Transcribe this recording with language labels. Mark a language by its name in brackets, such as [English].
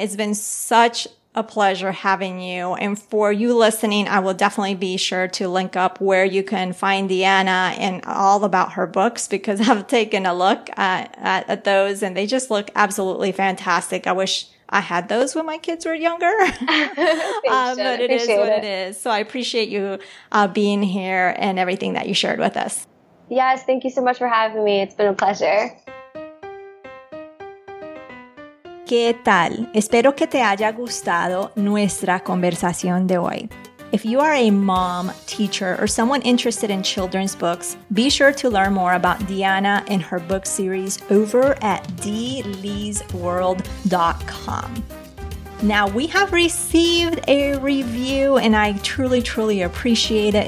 [English] It's been such a pleasure having you. And for you listening, I will definitely be sure to link up where you can find Deanna and all about her books, because I've taken a look at those and they just look absolutely fantastic. I wish I had those when my kids were younger, but it is what it is. So I appreciate you being here and everything that you shared with us. Yes, thank you so much for having me. It's been a pleasure. [Spanish] ¿Qué tal? Espero que te haya gustado nuestra conversación de hoy. [English] If you are a mom, teacher, or someone interested in children's books, be sure to learn more about Deanna and her book series over at dleesworld.com. Now, we have received a review, and I truly, truly appreciate it.